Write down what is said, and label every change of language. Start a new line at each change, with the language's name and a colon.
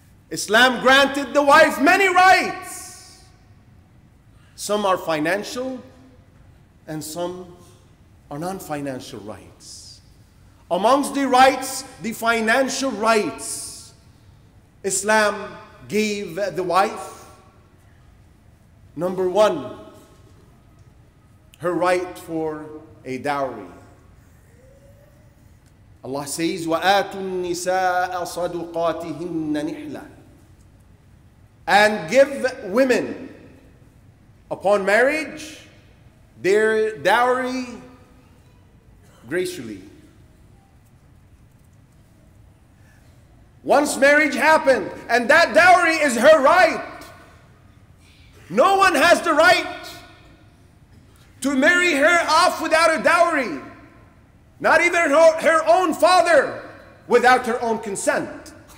English: Islam granted the wife many rights. Some are financial and some are non-financial rights. Amongst the rights, the financial rights, Islam gave the wife, number one, her right for a dowry.
Arabic: Allah says, وَآتُوا النِّسَاءَ صَدُقَاتِهِنَّ نِحْلَةً.
English: And give women upon marriage their dowry gracefully. Once marriage happened, and that dowry is her right, no one has the right to marry her off without a dowry, not even her own father without her own consent.